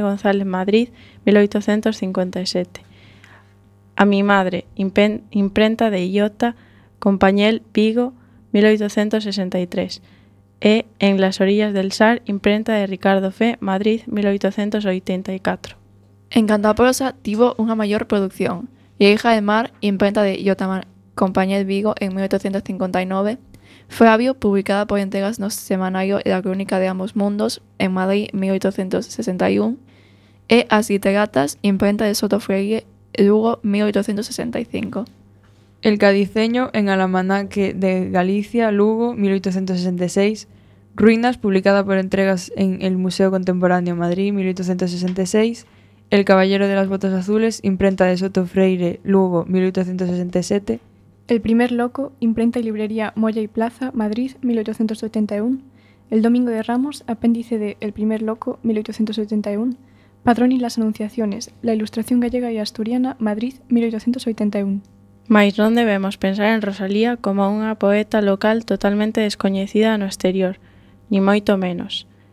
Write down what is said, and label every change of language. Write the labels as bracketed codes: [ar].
[es] González Madrid, 1857. A mi madre, imprenta de Iota Compañel Vigo, 1863. E En las orillas del Sar, imprenta de Ricardo Fe, Madrid, 1884. [gl] En canto a prosa, tivo unha maior producción. [es] Hija del Mar, imprenta de Iotamar, Compañía de Vigo, en 1859. Fabio, publicada por Entegas no Semanario e la Crónica de Ambos Mundos, en Madrid, 1861. E As Literatas, imprenta de Soto Freire, Lugo, 1865. El Cadiceño, en Almanaque de Galicia, Lugo, 1866. Ruinas, publicada por Entregas en el Museo Contemporáneo Madrid, 1866. El Caballero de las Botas Azules, imprenta de Soto Freire, Lugo, 1867. El Primer Loco, imprenta y librería Moya y Plaza, Madrid, 1881. El Domingo de Ramos, apéndice de El Primer Loco, 1871. Padrón y las Anunciaciones, la Ilustración Gallega y Asturiana, Madrid, 1881. [gl] Mais non debemos pensar en Rosalía como unha poeta local totalmente descoñecida no exterior, ni moito menos.